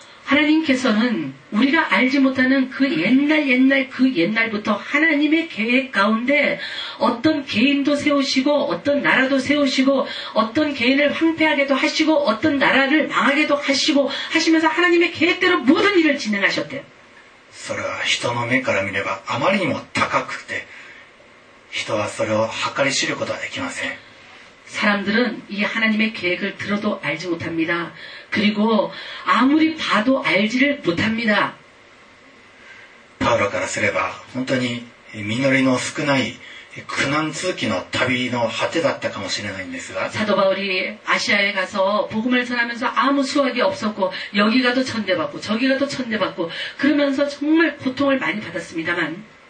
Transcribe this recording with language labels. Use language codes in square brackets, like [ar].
[ko] 하나님께서는우리가알지못하는그옛날옛날그옛날부터하나님의계획가운데어떤개인도세우시고어떤나라도세우시고어떤개인을황폐하게도하시고어떤나라를망하게도하시고하시면서하나님의계획대로모든일을진행하셨대요。 [ja] それは人の目から見ればあまりにも高くて、人はそれを計り知ることはできません。 [ko] 사람들은이하나님의계획을들어도알지못합니다。 그리고아무리봐도알지를못합니다。 [ja] パウロからすれば本当に実りの少ない苦難通期の旅の果てだったかもしれないんですが、 [ko] 사도바울이아시아에가서복음을전하면서아무수확이없었고여기가도천대받고저기가도천대받고그러면서정말고통을많이받았습니다만